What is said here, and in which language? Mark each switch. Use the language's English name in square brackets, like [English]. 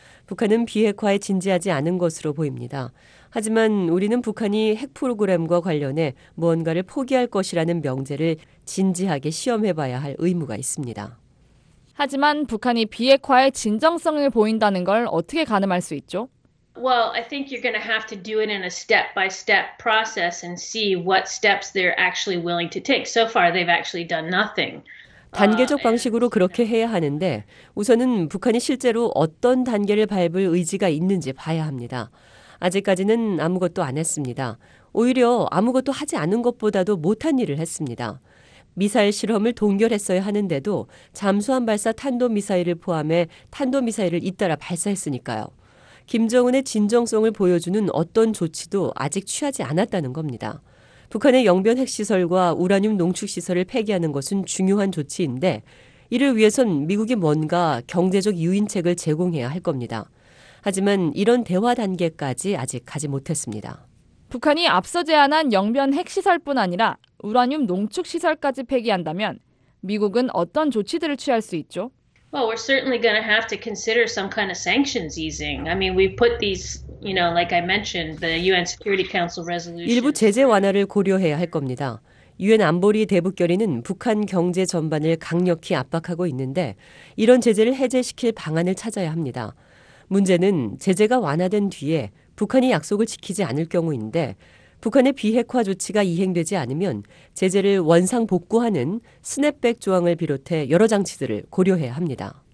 [Korean] 북한은 비핵화에 진지하지 않은 것으로 보입니다. 하지만 우리는 북한이 핵 프로그램과 관련해 무언가를 포기할 것이라는 명제를 진지하게 시험해봐야 할 의무가 있습니다. 하지만 북한이 비핵화의 진정성을 보인다는 걸 어떻게 가늠할 수 있죠? [English] Well, I think you're going to have to do it in a step-by-step process and see what steps they're actually willing to take. So far, they've actually done nothing. [Korean] 단계적 방식으로 그렇게 해야 하는데 우선은 북한이 실제로 어떤 단계를 밟을 의지가 있는지 봐야 합니다. 아직까지는 아무것도 안 했습니다. 오히려 아무것도 하지 않은 것보다도 못한 일을 했습니다. 미사일 실험을 동결했어야 하는데도 잠수함 발사 탄도미사일을 포함해 탄도미사일을 잇따라 발사했으니까요. 김정은의 진정성을 보여주는 어떤 조치도 아직 취하지 않았다는 겁니다. 북한의 영변 핵시설과 우라늄 농축시설을 폐기하는 것은 중요한 조치인데 이를 위해선 미국이 뭔가 경제적 유인책을 제공해야 할 겁니다. 하지만 이런 대화 단계까지 아직 가지 못했습니다. 북한이 앞서 제안한 영변 핵시설뿐 아니라 우라늄 농축시설까지 폐기한다면 미국은 어떤 조치들을 취할 수 있죠? [English] Well, we're certainly going to have to consider some kind of sanctions easing. I mean, we put these, you know, like I mentioned, the UN Security Council resolution. [Korean] 일부 제재 완화를 고려해야 할 겁니다. 유엔 안보리 대북 결의는 북한 경제 전반을 강력히 압박하고 있는데 이런 제재를 해제시킬 방안을 찾아야 합니다. 문제는 제재가 완화된 뒤에 북한이 약속을 지키지 않을 경우인데 북한의 비핵화 조치가 이행되지 않으면 제재를 원상 복구하는 스냅백 조항을 비롯해 여러 장치들을 고려해야 합니다.